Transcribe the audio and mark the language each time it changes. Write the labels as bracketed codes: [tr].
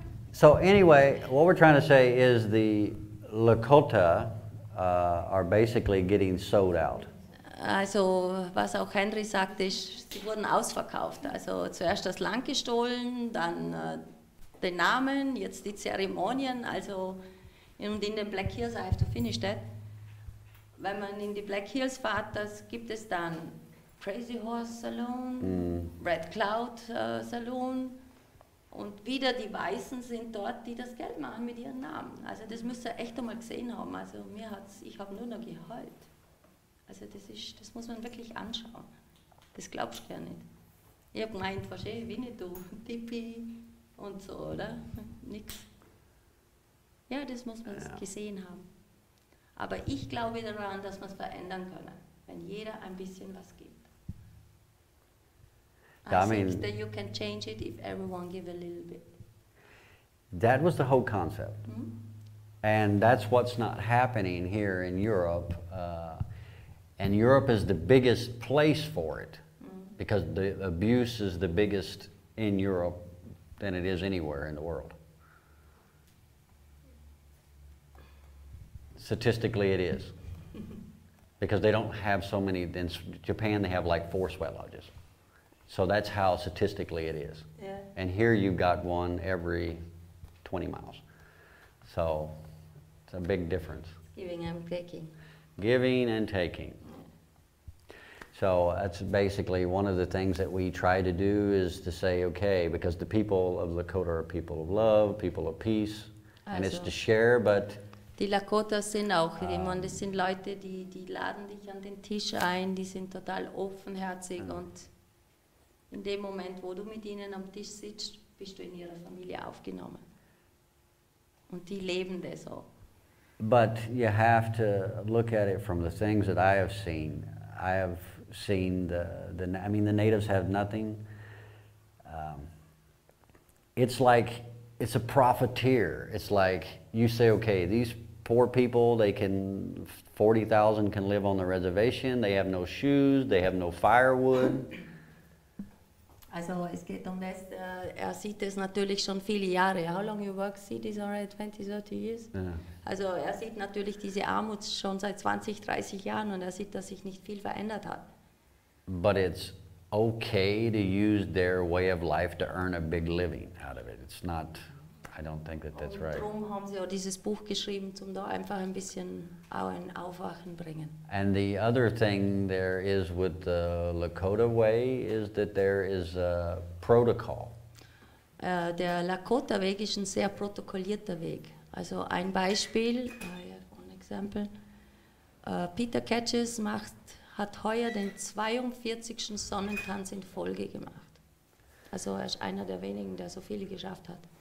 [en] So anyway, what we're trying to say is the Lakota are basically getting sold out. [de] Also, was auch Henry sagt, ist, sie wurden ausverkauft. Also zuerst das Land gestohlen, dann den Namen, jetzt die Zeremonien. Also, und in den Black Hills, [en] I have to finish that. [de] Wenn man in die Black Hills fährt, das gibt es dann Crazy Horse Saloon, Red Cloud Saloon, und wieder die Weißen sind dort, die das Geld machen mit ihren Namen. Also das müsst ihr echt einmal gesehen haben. Also ich habe nur noch geheult. Also das muss man wirklich anschauen. Das glaubst du ja nicht. Ich habe gemeint, was eh, wie nicht du, Tippi und so, oder? Nix. Ja, das muss man gesehen haben. Aber ich glaube daran, dass wir es verändern können, wenn jeder ein bisschen was gibt. [en] I think that you can change it if everyone gives a little bit. That was the whole concept. And that's what's not happening here in Europe. And Europe is the biggest place for it, because the abuse is the biggest in Europe than it is anywhere in the world. Statistically, it is. Because they don't have so many. In Japan, they have like 4 sweat lodges. So that's how statistically it is. Yeah. And here you've got one every 20 miles. So it's a big difference. Giving and taking. Giving and taking. So that's basically one of the things that we try to do is to say, okay, because the people of Lakota are people of love, people of peace, and it's to share, but... [de] Die Lakota sind auch, das sind Leute, die laden dich an den Tisch ein, die sind total offenherzig und in dem Moment, wo du mit ihnen am Tisch sitzt, bist du in ihrer Familie aufgenommen. Und die leben das auch. [en] But you have to look at it from the things that I have seen. I have seen the natives have nothing. It's like, it's a profiteer. It's like, you say, okay, these poor people, 40,000 can live on the reservation, they have no shoes, they have no firewood. [de] Also, es geht um das, sieht das natürlich schon viele Jahre. [en] How long you work, see this already, 20, 30 years? Yeah. [de] Also, sieht natürlich diese Armut schon seit 20, 30 Jahren und sieht, dass sich nicht viel verändert hat. [en] But it's okay to use their way of life to earn a big living out of it. It's not, I don't think that that's right. [de] Und darum haben sie auch dieses Buch geschrieben, um da einfach ein bisschen auch ein Aufwachen bringen. [en] And the other thing there is with the Lakota way is that there is a protocol. [de] Der Lakota Weg ist ein sehr protokollierter Weg. Also ein Beispiel, ein Beispiel. Peter Catches hat heuer den 42. Sonnentanz in Folge gemacht. Also er ist einer der wenigen, der so viele geschafft hat.